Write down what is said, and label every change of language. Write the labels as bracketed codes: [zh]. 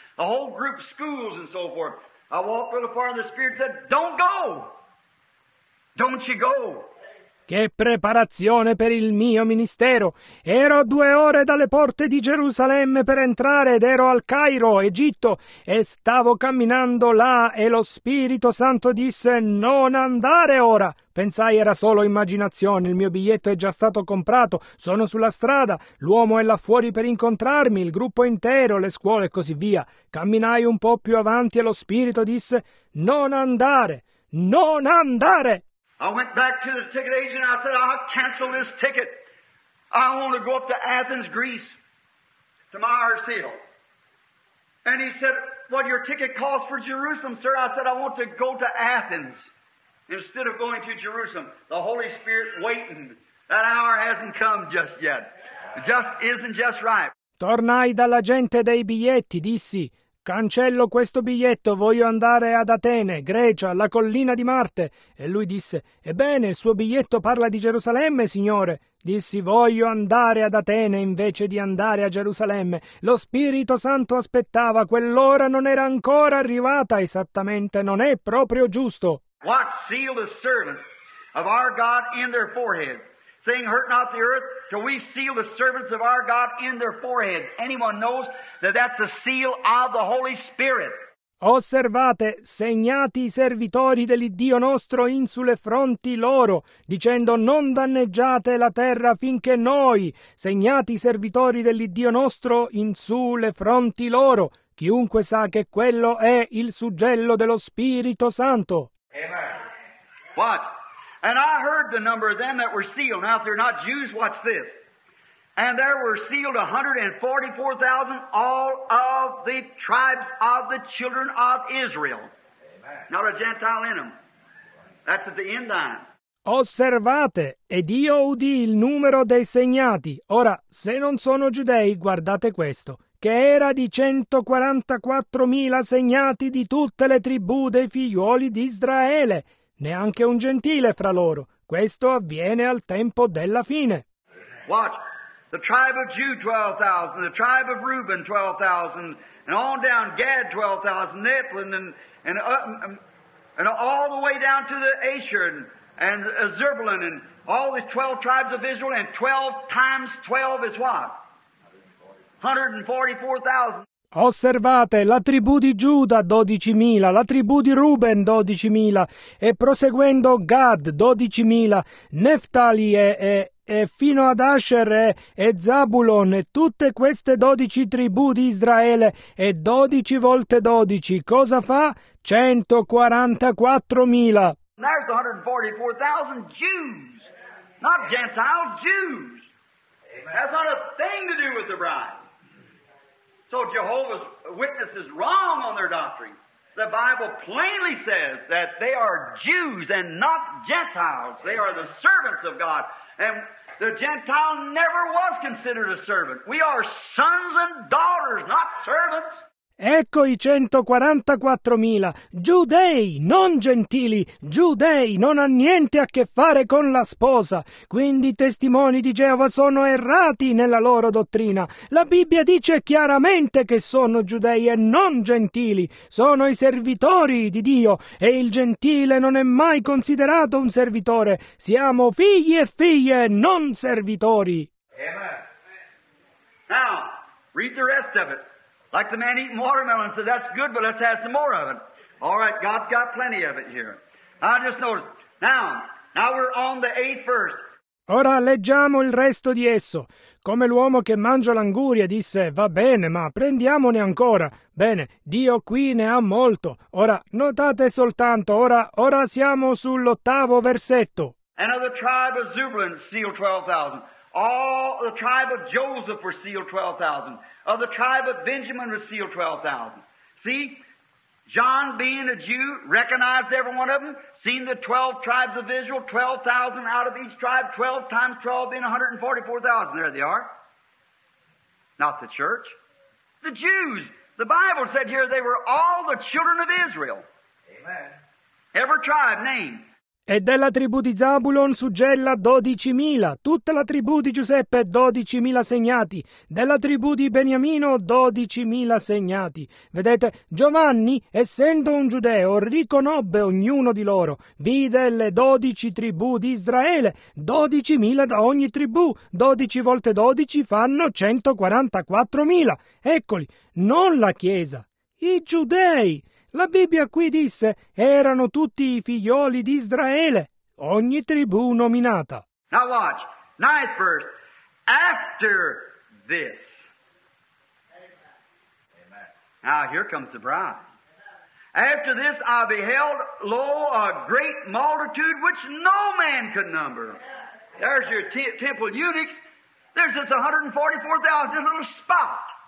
[en] The whole group of schools and so forth. I walked a little far and the Spirit said, don't go! Don't you go! [it] Che preparazione per il mio ministero! Ero a 2 ore dalle porte di Gerusalemme per entrare ed ero al Cairo, Egitto, e stavo camminando là e lo Spirito Santo disse non andare ora. Pensai era solo immaginazione, il mio biglietto è già stato comprato, sono sulla strada, l'uomo è là fuori per incontrarmi, il gruppo intero, le scuole e così via. Camminai un po' più avanti e lo Spirito disse non andare, non andare. [en] I went back to the ticket agent and I said, I'll cancel this ticket. I want to go up to Athens, Greece, to my Arsenal. And he said, what your ticket costs for Jerusalem, sir? I said, I want to go to Athens instead of going to Jerusalem. The Holy Spirit waiting. That hour hasn't come just yet. It just isn't just right. [it] Tornai dall'agente dei biglietti, dissi. Cancello questo biglietto, voglio andare ad Atene, Grecia, la collina di Marte. E lui disse, ebbene, il suo biglietto parla di Gerusalemme, signore. Dissi, voglio andare ad Atene invece di andare a Gerusalemme. Lo Spirito Santo aspettava, quell'ora non era ancora arrivata esattamente, non è proprio giusto. [en] What seal the servants of our God in their forehead, saying, hurt not the earth, till we seal the servants of our God in their forehead. Anyone knows that that's a seal of the Holy Spirit. [it] Osservate, segnati i servitori dell'Iddio nostro in sulle fronti loro, dicendo, non danneggiate la terra finché noi, segnati i servitori dell'Iddio nostro in sulle fronti loro. Chiunque sa che quello è il suggello dello Spirito Santo. Amen. [en] What? And I heard the number of them that were sealed. Now, if they're not Jews, watch this. And there were sealed 144,000, all of the tribes of the children of Israel. Amen. Not a Gentile in them. That's at the end time. [it] Osservate, ed io udì il numero dei segnati. Ora, se non sono giudei, guardate questo. Che era di 144,000 segnati di tutte le tribù dei figlioli di Israele. Neanche un gentile fra loro. Questo avviene al tempo della fine. [en] Watch. The tribe of Judah 12,000, the tribe of Reuben 12,000, and on down Gad 12,000, Nephilim, and all the way down to the Asher and Zebulun and all the 12 tribes of Israel, and 12 times 12 is what? 144,000. [it] Osservate, la tribù di Giuda 12,000, la tribù di Ruben 12,000, e proseguendo Gad 12,000, Neftali e fino ad Asher e Zabulon e tutte queste 12 tribù di Israele e 12 volte 12, cosa fa? 144,000. [en] There's 144,000 Jews, not Gentiles, Jews. Amen. That's not a thing to do with the bride. So Jehovah's Witness is wrong on their doctrine. The Bible plainly says that they are Jews and not Gentiles. They are the servants of God. And the Gentile never was considered a servant. We are sons and daughters, not servants. [it] Ecco i 144,000, giudei, non gentili, giudei, non ha niente a che fare con la sposa. Quindi i testimoni di Geova sono errati nella loro dottrina. La Bibbia dice chiaramente che sono giudei e non gentili, sono i servitori di Dio e il gentile non è mai considerato un servitore. Siamo figli e figlie, non servitori. Amen. [en] Now, read the rest of it. Like the man eating watermelon said, that's good, but let's have some more of it. All right, God's got plenty of it here. I just noticed. Now we're on the 8th verse. [it] Ora leggiamo il resto di esso. Come l'uomo che mangia l'anguria disse, va bene, ma prendiamone ancora. Bene, Dio qui ne ha molto. Ora, notate soltanto, ora siamo sull'ottavo versetto. [en] And of the tribe of Zebulun, sealed 12,000. All the tribe of Joseph were sealed 12,000. Of the tribe of Benjamin were sealed 12,000. See, John, being a Jew, recognized every one of them, seen the 12 tribes of Israel, 12,000 out of each tribe, 12 times 12 being 144,000. There they are. Not the church. The Jews. The Bible said here they were all the children of Israel. Amen. Every tribe named. [it] E della tribù di Zabulon suggella 12,000, tutta la tribù di Giuseppe 12,000 segnati, della tribù di Beniamino 12,000 segnati. Vedete, Giovanni, essendo un giudeo, riconobbe ognuno di loro, vide le 12 tribù di Israele, 12,000 da ogni tribù, 12 volte 12 fanno 144,000. Eccoli, non la chiesa, i giudei. La Bibbia qui disse, erano tutti i figlioli di Israele, ogni tribù nominata. [en] Now watch, ninth verse, after this. Amen. Now here comes the bride. After this I beheld, lo, a great multitude which no man could number. There's your temple eunuchs, there's just 144,000 little spot.